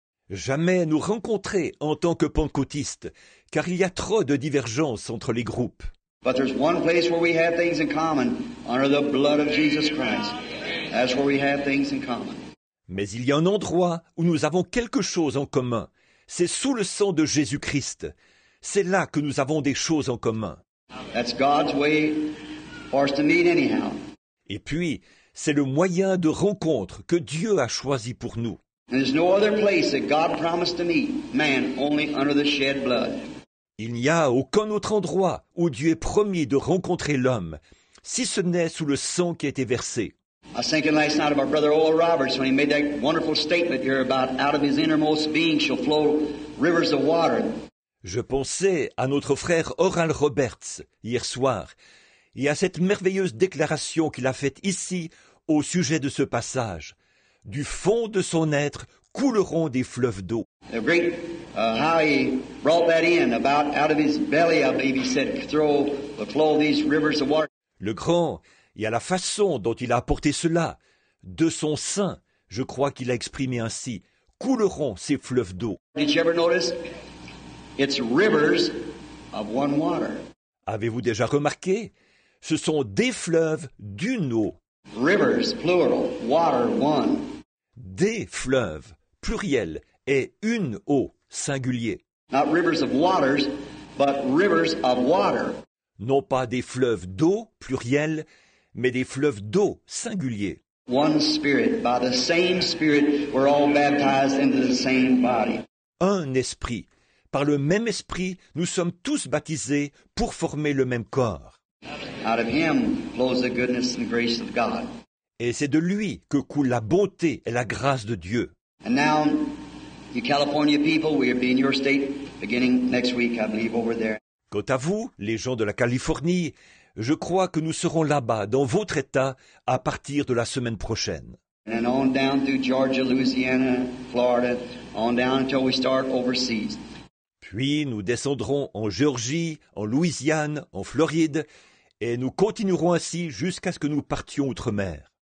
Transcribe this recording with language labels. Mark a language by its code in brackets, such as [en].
[fr] Jamais nous rencontrer en tant que pentecôtistes, car il y a trop de divergences entre les groupes. [en] But there's one place where we have things in common, under the blood of Jesus Christ. That's where we have things in common. [fr] Mais il y a un endroit où nous avons quelque chose en commun. C'est sous le sang de Jésus-Christ. C'est là que nous avons des choses en commun. [en] That's God's way for us to meet anyhow. [fr] Et puis, c'est le moyen de rencontre que Dieu a choisi pour nous. [en] There's no other place that God promised to meet man only under the shed blood. [fr] Il n'y a aucun autre endroit où Dieu ait promis de rencontrer l'homme, si ce n'est sous le sang qui a été versé. [en] I was thinking last night about Brother Oral Roberts when he made that wonderful statement here about out of his innermost being shall flow rivers of water. [fr] Je pensais à notre frère Oral Roberts hier soir et à cette merveilleuse déclaration qu'il a faite ici au sujet de ce passage. Du fond de son être couleront des fleuves d'eau. [en] How he brought that in about out of his belly, I believe he said, flow these rivers of water. [fr] Le grand. Et à la façon dont il a apporté cela, de son sein, je crois qu'il a exprimé ainsi, couleront ces fleuves d'eau. [en] Did you ever notice? It's rivers of one water. [fr] Avez-vous déjà remarqué? Ce sont des fleuves d'une eau. [en] Rivers, plural, water, one. [fr] Des fleuves, pluriel, et une eau, singulier. [en] Not rivers of waters, but rivers of water. [fr] Non pas des fleuves d'eau, pluriel, mais des fleuves d'eau singuliers. [en] One spirit, by the same spirit, we're all baptized into the same body. [fr] Un esprit. Par le même esprit, nous sommes tous baptisés pour former le même corps. [en] Out of him flows the goodness and grace of God. [fr] Et c'est de lui que coule la bonté et la grâce de Dieu. [en] And now, you California people, we'll be in your state beginning next week, I believe, over there. [fr] Quant à vous, les gens de la Californie, je crois que nous serons là-bas, dans votre état, à partir de la semaine prochaine. [en] And on down through Georgia, Louisiana, Florida, on down until we start overseas. [fr] Puis nous descendrons en Géorgie, en Louisiane, en Floride, et nous continuerons ainsi jusqu'à ce que nous partions outre-mer.